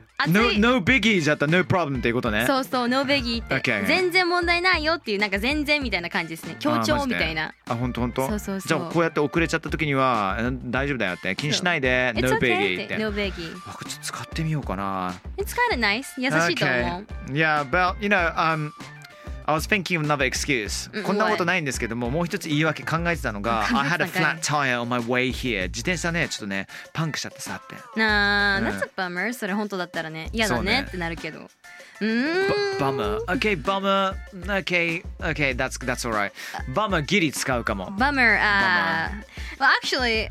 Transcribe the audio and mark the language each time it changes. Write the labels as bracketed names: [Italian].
[Japanese] No biggie じゃった No problem っていうことね。そうそう No biggie って、 [English] okay, okay. [Japanese] 全然問題ないよっていうなんか全然みたいな感じですね。強調みたいな。あ、本当本当。そうそうそう。じゃあこうやって遅れちゃった時には大丈夫だよって気にしないで No biggie、 [English] okay、 [Japanese] って。 [English] No biggie。 [Japanese] ちょっと使ってみようかな。 [English] It's kind of nice [Japanese] 優しいと思う。 [English] Okay. Yeah, but you know, I was thinking of another excuse、うん。 [Japanese] こんなことないんですけども、もう一つ言い訳考えてたのが、 [English] I had a flat tire on my way here。 [Japanese] 自転車ね、ちょっとね、パンクしちゃってさって。 [English] なあ、that's a bummer。 [Japanese] それ本当だったらね、嫌だ ねってなるけど。 [English] Bummer。 Okay, bummer。 Okay, okay, that's alright。 [Japanese] Bummer ギリ使うかも。 [English] Bummer、well, actually,